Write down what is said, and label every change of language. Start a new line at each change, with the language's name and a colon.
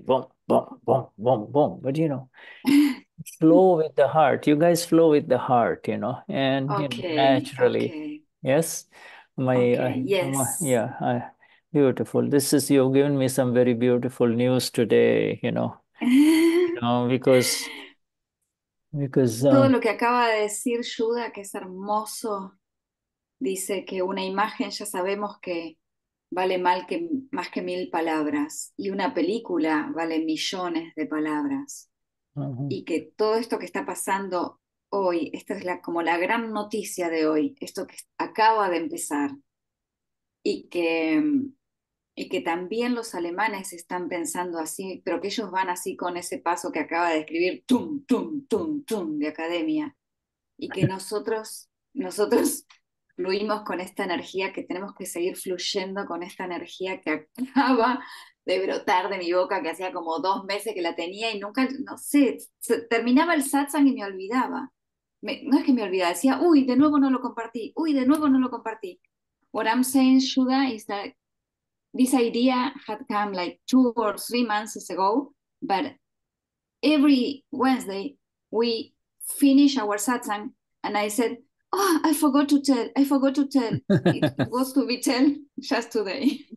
English: Boom, boom, boom, boom, boom. But, you know, flow with the heart. You guys flow with the heart, you know, and you know, Okay, naturally. Yes. yes. Beautiful. This is, you've given me some very beautiful news today, you know. Because
Spanish: Todo lo que acaba de decir Shuddha, que es hermoso, dice que una imagen ya sabemos que vale más que 1.000 palabras, y una película vale millones de palabras. Y que todo esto que está pasando hoy, esta es como la gran noticia de hoy, esto que acaba de empezar, y que también los alemanes están pensando así, pero que ellos van así con ese paso que acaba de escribir, tum, tum, tum, tum, de academia, y que nosotros fluimos con esta energía, que tenemos que seguir fluyendo con esta energía que acaba de brotar de mi boca, que hacía como 2 meses que la tenía y nunca, no sé, terminaba el satsang y me olvidaba. No es que me olvidaba, decía, uy, de nuevo no lo compartí, uy, de nuevo no lo compartí.
English: What I'm saying, Shuda, is that this idea had come like 2 or 3 months ago, but every Wednesday we finish our satsang and I said, oh, I forgot to tell, I forgot to tell. It was to be tell just today.